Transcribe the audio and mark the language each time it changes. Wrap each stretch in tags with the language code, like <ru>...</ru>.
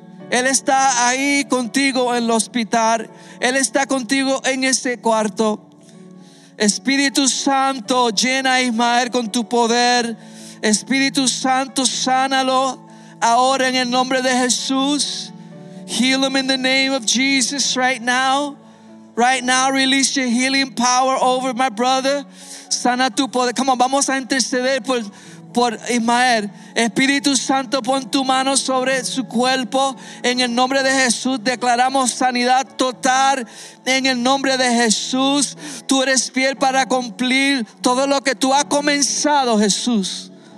<es>Él está ahí contigo en el hospital. Él está contigo en ese cuarto. Espíritu Santo, llena a Ismael con tu poder. Espíritu Santo, sánalo ahora en el nombre de Jesús.</es> <en>Heal him in the name of Jesus right now. Right now, release your healing power over my brother.</en> <es>Sana tu poder.</es> <en>Come on,</en> <es>vamos a interceder por Ismael. Espíritu Santo, pon tu mano sobre su cuerpo en el nombre de Jesús. Declaramos sanidad total en el nombre de Jesús. Tú eres fiel para cumplir todo lo que tú has comenzado, Jesús.</es>